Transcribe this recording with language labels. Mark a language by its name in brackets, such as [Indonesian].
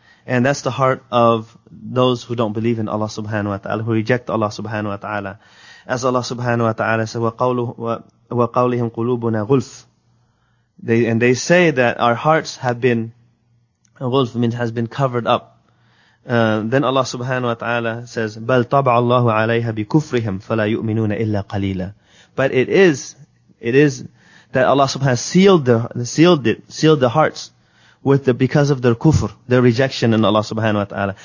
[English] And that's the heart of those who don't believe in Allah subhanahu wa ta'ala, who reject Allah subhanahu wa ta'ala. As Allah subhanahu wa ta'ala said, [Arabic] وَقَوْلِهِمْ قُلُوبُنَا غُلْفِ, [English] they say that our hearts have been, غُلْف means has been covered up. Then Allah subhanahu wa ta'ala says, [Arabic] بَلْ طَبْعَ اللَّهُ عَلَيْهَا بِكُفْرِهِمْ فَلَا يُؤْمِنُونَ إِلَّا قَلِيلًا. [English] But it is that Allah subhanahu wa ta'ala sealed the hearts because of their kufr, their rejection in Allah subhanahu wa ta'ala.